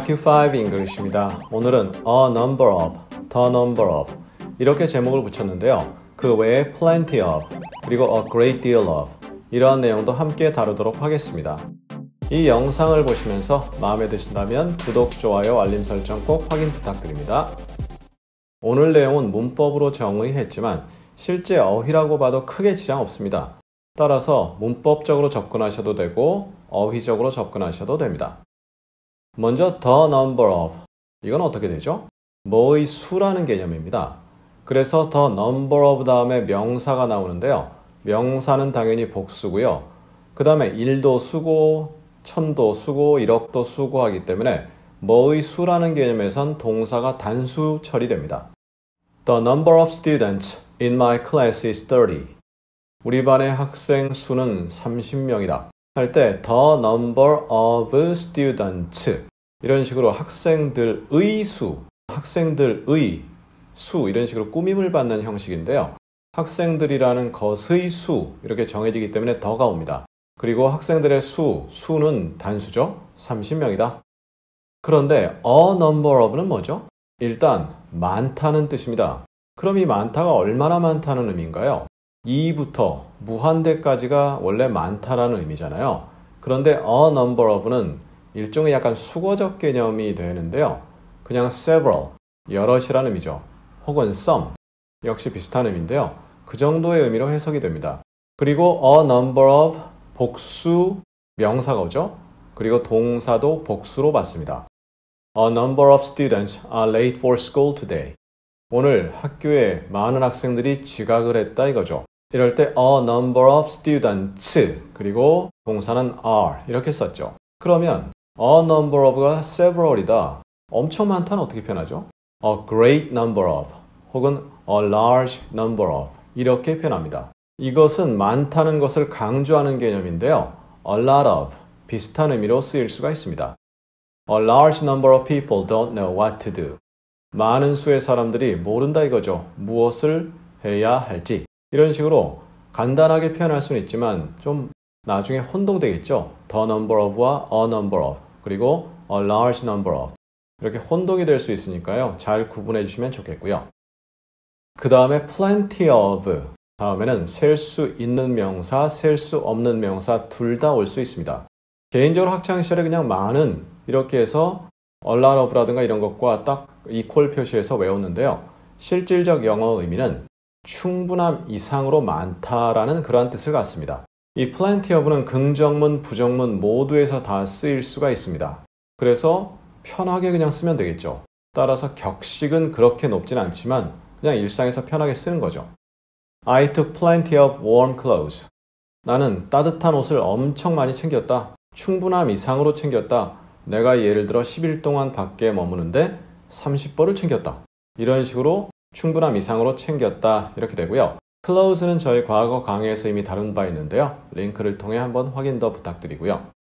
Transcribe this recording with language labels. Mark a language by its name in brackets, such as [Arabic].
[Korean] Q5 English입니다. 오늘은 a number of, the number of 이렇게 제목을 붙였는데요. 그 외에 plenty of, 그리고 a great deal of 이러한 내용도 함께 다루도록 하겠습니다. 이 영상을 보시면서 마음에 드신다면 구독, 좋아요, 알림 설정 꼭 확인 부탁드립니다. 오늘 내용은 문법으로 정의했지만 실제 어휘라고 봐도 크게 지장 없습니다. 따라서 문법적으로 접근하셔도 되고 어휘적으로 접근하셔도 됩니다. 먼저 the number of, 이건 어떻게 되죠? 뭐의 수라는 개념입니다. 그래서 the number of 다음에 명사가 나오는데요. 명사는 당연히 복수고요. 그 다음에 1도 수고, 1000도 수고, 1억도 수고 하기 때문에 뭐의 수라는 개념에선 동사가 단수 처리됩니다. [English] The number of students in my class is 30. [Korean] 우리 반의 학생 수는 30명이다. 할 때 the number of students 이런 식으로 학생들의 수, 학생들의 수 이런 식으로 꾸밈을 받는 형식인데요. 학생들이라는 것의 수 이렇게 정해지기 때문에 더가 옵니다. 그리고 학생들의 수, 수는 단수죠. 30명이다. 그런데 a number of는 뭐죠? 일단 많다는 뜻입니다. 그럼 이 많다가 얼마나 많다는 의미인가요? 2부터 무한대까지가 원래 많다라는 의미잖아요. 그런데 a number of는 일종의 약간 수거적 개념이 되는데요. 그냥 several, 여럿이라는 의미죠. 혹은 some, 역시 비슷한 의미인데요. 그 정도의 의미로 해석이 됩니다. 그리고 a number of 복수 명사가 오죠. 그리고 동사도 복수로 받습니다. [English] A number of students are late for school today. [Korean] 오늘 학교에 많은 학생들이 지각을 했다 이거죠. 이럴 때 a number of students 그리고 동사는 are 이렇게 썼죠. 그러면 a number of가 several이다. 엄청 많다는 어떻게 표현하죠? A great number of 혹은 a large number of 이렇게 표현합니다. 이것은 많다는 것을 강조하는 개념인데요. A lot of 비슷한 의미로 쓰일 수가 있습니다. [English] A large number of people don't know what to do. [Korean] 많은 수의 사람들이 모른다 이거죠. 무엇을 해야 할지. 이런 식으로 간단하게 표현할 수는 있지만 좀 나중에 혼동되겠죠. The number of와 a number of 그리고 a large number of 이렇게 혼동이 될 수 있으니까요. 잘 구분해 주시면 좋겠고요. 그 다음에 plenty of 다음에는 셀 수 있는 명사, 셀 수 없는 명사 둘 다 올 수 있습니다. 개인적으로 학창시절에 그냥 많은 이렇게 해서 a lot of라든가 이런 것과 딱 equal 표시해서 외웠는데요. 실질적 영어 의미는 충분함 이상으로 많다라는 그러한 뜻을 갖습니다. 이 plenty of는 긍정문, 부정문 모두에서 다 쓰일 수가 있습니다. 그래서 편하게 그냥 쓰면 되겠죠. 따라서 격식은 그렇게 높진 않지만 그냥 일상에서 편하게 쓰는 거죠. [English] I took plenty of warm clothes. [Korean] 나는 따뜻한 옷을 엄청 많이 챙겼다. 충분함 이상으로 챙겼다. 내가 예를 들어 10일 동안 밖에 머무는데 30벌을 챙겼다. 이런 식으로 충분함 이상으로 챙겼다 이렇게 되고요. Close는 저희 과거 강의에서 이미 다룬 바 있는데요. 링크를 통해 한번 확인 더 부탁드리고요.